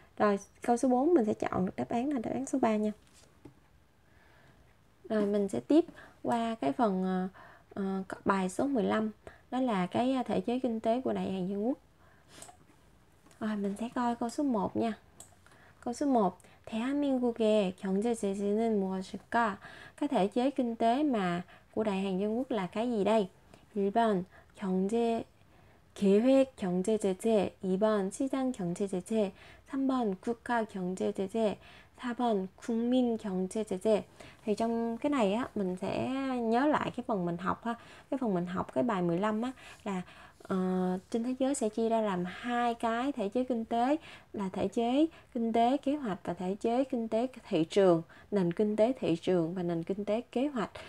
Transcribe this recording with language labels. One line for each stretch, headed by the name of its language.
Vietnamese: Rồi câu số 4 mình sẽ chọn được đáp án là đáp án số 3 nha. Rồi mình sẽ tiếp qua cái phần bài số 15, đó là cái thể chế kinh tế của Đại Hàn Dân Quốc. Rồi mình sẽ coi câu số 1 nha. Câu số 1,
Korean: 대한민국의 경제 체제는 무엇일까?
Vietnamese: Cái thể chế kinh tế mà của Đại Hàn Dân Quốc là cái gì đây?
Korean: 1번 경제 계획 경제 제재, 2번 시장 경제 제재, 3번 국가 경제 제재, 4번 국민 경제 제재.
Vietnamese: Thì trong cái này á, mình sẽ nhớ lại cái phần mình học ha. Cái phần mình học cái bài 15 á là trên thế giới sẽ chia ra làm hai cái thể chế kinh tế là thể chế kinh tế kế hoạch và thể chế kinh tế thị trường, nền kinh tế thị trường và nền kinh tế kế hoạch.